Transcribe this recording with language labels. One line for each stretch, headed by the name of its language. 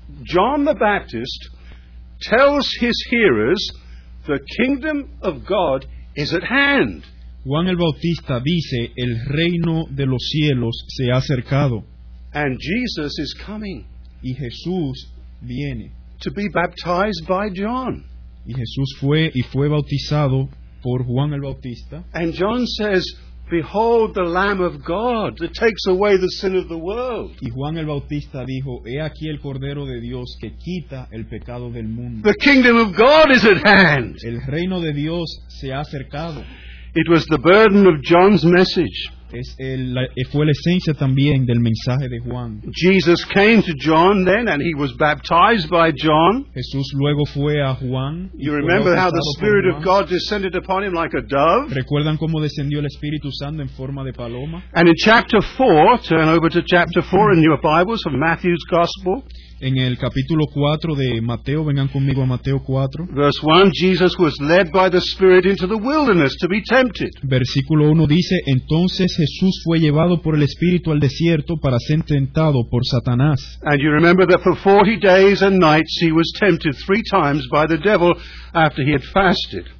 English: John the Baptist tells his hearers the kingdom of God is at hand.
Spanish: Juan el Bautista dice, el reino de los cielos se ha acercado.
English: And Jesus is coming.
Spanish: Y Jesús viene.
English: To be baptized by John.
Spanish: Y Jesús fue y fue bautizado por Juan el Bautista.
English: And John says, behold the Lamb of God that takes away the sin of the world.
Spanish: Y Juan el Bautista dijo, he aquí el Cordero de Dios que quita el pecado del mundo.
English: The kingdom of God is at hand.
Spanish: El reino de Dios se ha acercado.
English: It was the burden of John's message.
Spanish: Fue la esencia también del mensaje de Juan.
English: Jesus came to John then, and he was baptized by John.
Spanish: Jesús luego fue a Juan.
English: You remember how the Spirit of God descended upon him like a dove?
Spanish: ¿Recuerdan cómo descendió el Espíritu Santo en forma de paloma?
English: And in chapter 4, turn over to chapter 4 in your Bibles from Matthew's Gospel.
Spanish: En el capítulo 4 de Mateo, vengan conmigo a Mateo 4.
English: Verse 1, Jesus was led by the Spirit into the wilderness to be tempted.
Spanish: Versículo 1 dice, entonces Jesús fue llevado por el Espíritu al desierto para ser tentado por Satanás.
English: And you remember that for 40 days and nights he was tempted 3 times by the devil after he had fasted.